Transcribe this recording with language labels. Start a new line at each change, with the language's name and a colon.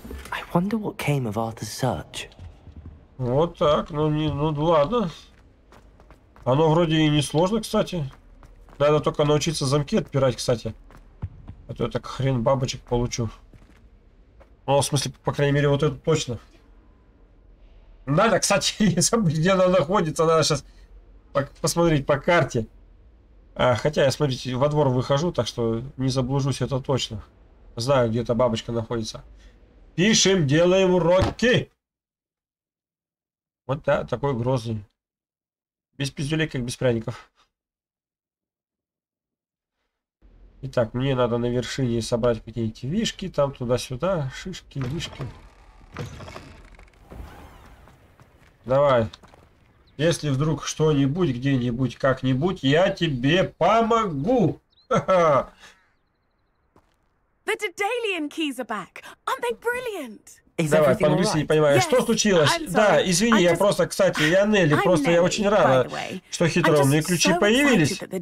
English: I wonder what came of Arthur's search.
Russian: Вот так, ну не, ну ладно. Оно вроде и не сложно, кстати. Надо только научиться замки отпирать, кстати. А то я так хрен бабочек получу. Ну, в смысле, по крайней мере, вот эту точно. Надо, кстати, где она находится, надо сейчас посмотреть по карте. А, хотя я, смотрите, во двор выхожу, так что не заблужусь, это точно. Знаю, где эта бабочка находится. Пишем, делаем уроки. Вот да, такой грозный. Без пиздюлей, как без пряников. Итак, мне надо на вершине собрать какие-нибудь вишки, там туда-сюда, шишки, вишки. Давай. Если вдруг что-нибудь, где-нибудь, как-нибудь, я тебе помогу.
English: The Dedalian keys are back. Aren't they brilliant?
Russian: Давай, по-английски не понимаю.
English: Yes,
Russian: что случилось? Да, извини, я просто, кстати, я Нелли,
English: I'm
Russian: просто Nelly, я очень рада, что хитроумные ключи появились.